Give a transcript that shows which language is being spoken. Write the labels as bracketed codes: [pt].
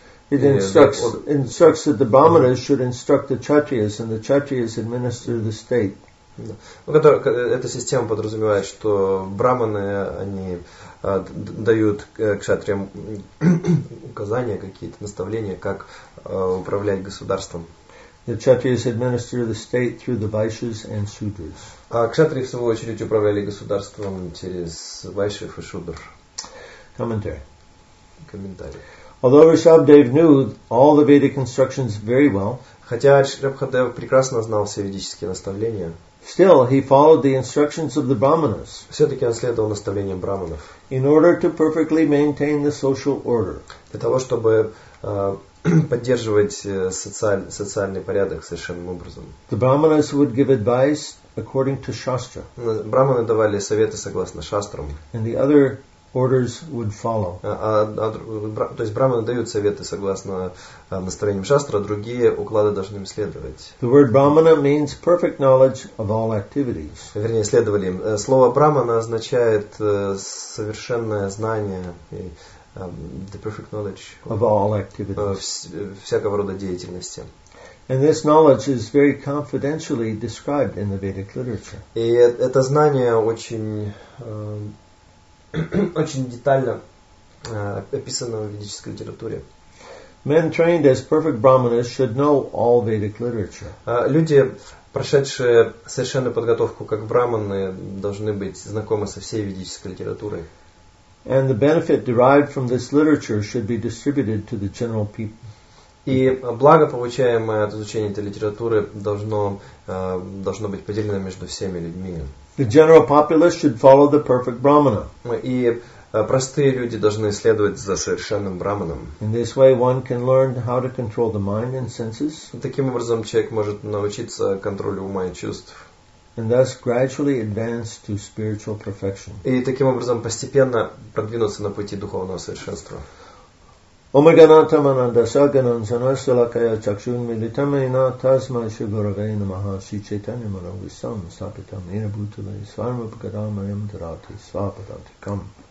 [en] It instructs that the brahmanas should instruct the kshatriyas, and the kshatriyas administer the state. [ru] Эта система подразумевает, что брахманы они дают кшатриям указания какие-то, наставления, как управлять государством. [en] The kshatriyas administer the state through the vaishyas and shudras. [ru] А кшатрии в свою очередь управляли государством через вайшев и шудр. Комментарий. [en] Although Rishabhadev knew all the Vedic instructions very well, [ru] хотя Шрабхадев прекрасно знал все ведические наставления, [en] still he followed the instructions of the brahmanas. [ru] Все-таки он следовал наставлениям брахманов. [en] In order to perfectly maintain the social order. [ru] Для того, чтобы поддерживать социальный порядок совершенным образом. [en] The brahmanas would give advice according to shastra. [ru] Брахманы давали советы согласно шастрам. [en] And the other orders would follow. [ru] То есть брахманы дают советы согласно наставлениям шастра, другие уклады должны им следовать. [en] The word brahmana means perfect knowledge of all activities. [ru] Вернее, следовали им. Слово брахмана означает совершенное знание, [en] the perfect knowledge of all activities. [ru] Всякого рода деятельности. [en] And this knowledge is very confidentially described in the Vedic literature. [ru] И это знание очень детально описано в ведической литературе. [en] Men trained as perfect brahmanas should know all Vedic literature. [ru] Люди, прошедшие совершенную подготовку как брахманы, должны быть знакомы со всей ведической литературой. [en] And the benefit derived from this literature should be distributed to the general people. [ru] И благо, получаемое от изучения этой литературы, должно быть поделено между всеми людьми. [en] The general populace should follow the perfect brahmana. [ru] И простые люди должны следовать за совершенным брахманом. [en] In this way, one can learn how to control the mind and senses. [ru] Таким образом, человек может научиться контролю ума и чувств. [en] And thus gradually advance to spiritual perfection. [ru] И таким образом постепенно продвинуться на пути духовного совершенства. [sa] Омаганатам анандасаганам санасалакая чакшун милитам ина тасма шигуравей намаха си чайтани манависам сапитам ина бутала и сварма бхагадам айам дарати свападатикам.